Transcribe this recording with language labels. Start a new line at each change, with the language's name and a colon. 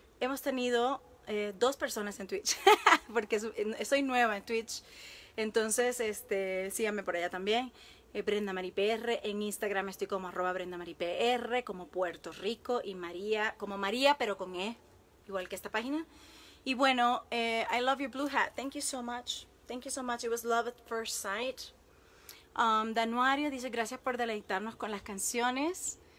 Spanish: Hemos tenido dos personas en Twitch, porque soy nueva en Twitch. Entonces, síganme por allá también. Brenda Mari PR, en Instagram estoy como arroba Brenda Mari PR, como Puerto Rico, y María, como María, pero con E, igual que esta página.
English: Y bueno, I love your blue hat, thank you so much, it was love at first sight.
Spanish: Danuario dice, gracias por deleitarnos con las canciones.